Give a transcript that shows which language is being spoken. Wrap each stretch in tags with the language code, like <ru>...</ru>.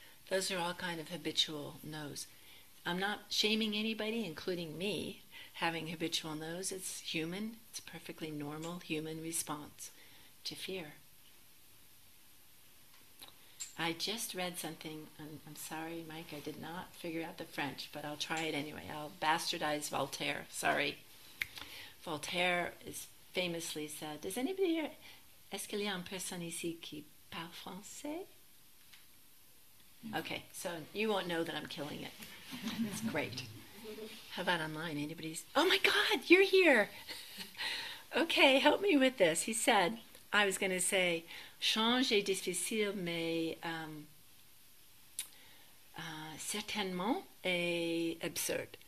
<en>Those are all kind of habitual no's. I'm not shaming anybody, including me, having habitual no's. It's human. It's a perfectly normal human response to fear. I just read something. I'm sorry, Mike, I did not figure out the French, but I'll try it anyway. I'll bastardize Voltaire. Sorry. Voltaire is famously said, does anybody here,</en> <fr>est-ce qu'il y a une personne ici qui parle français?</fr> <en>Okay, so you won't know that I'm killing it. It's great. How about online? Anybody's, oh my God, you're here. Okay, help me with this. He said, I was going to say,</en> <fr>change est difficile, mais certainement est absurd.</fr>